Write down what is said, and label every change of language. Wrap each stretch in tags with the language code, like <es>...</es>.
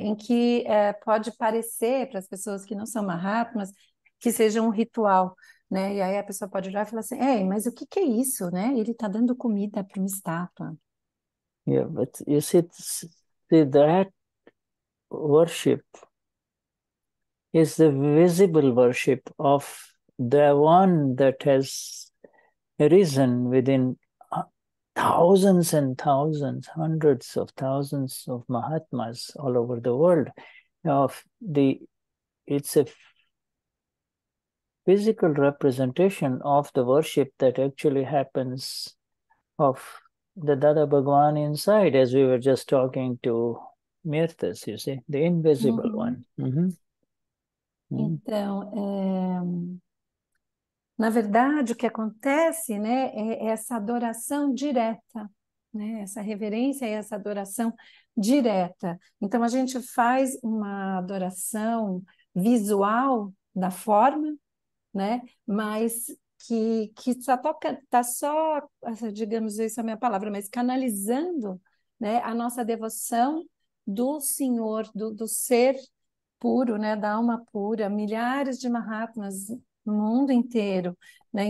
<pt>Em que pode parecer para as pessoas que não são Mahatmas que seja um ritual, né? E aí a pessoa pode olhar e falar assim: ei, mas o que, que é isso, né? Ele está dando comida para uma estátua.</pt> <en>Yeah, but you see, that worship is the visible worship of the one that has arisen within thousands and thousands, hundreds of thousands of Mahatmas all over the world. of the it's a physical representation of the worship that actually happens of the Dada Bhagwan inside, as we were just talking to Mirthas, you see, the invisible mm-hmm. one. Mm-hmm.</en> <pt>Então, na verdade, o que acontece, né, é essa adoração direta, né, essa reverência e essa adoração direta. Então, a gente faz uma adoração visual da forma, né, mas que só toca, tá só, digamos, isso é a minha palavra, mas canalizando, né, a nossa devoção do Senhor, do ser puro, né, da alma pura, milhares de Mahatmas no mundo inteiro, né?</pt>